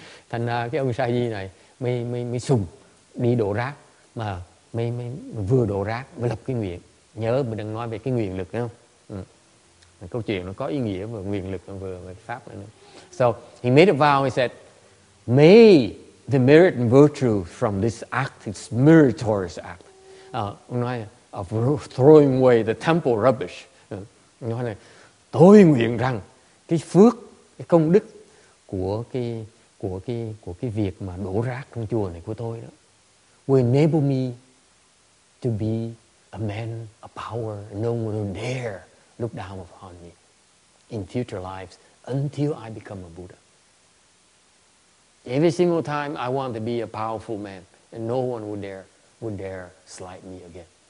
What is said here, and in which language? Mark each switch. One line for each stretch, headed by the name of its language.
Vietnamese: Thành ra cái ông sa di này mới sùng đi đổ rác, mà mới vừa đổ rác mới lập cái nguyện. Nhớ mình đang nói về cái nguyện lực không? Câu chuyện nó có ý nghĩa vừa nguyện lực vừa pháp nữa.
English: So he made a vow. He said, may the merit and virtue from this act, this meritorious act, of throwing away the temple rubbish.
Vietnamese: Nói này, tôi nguyện rằng cái phước, cái công đức của cái việc mà đổ rác trong chùa này của tôi đó,
English: will enable me to be a man of power, no one will dare look down upon me in future lives until I become a Buddha. Every single time I want to be a powerful man, and no one would dare slight me again.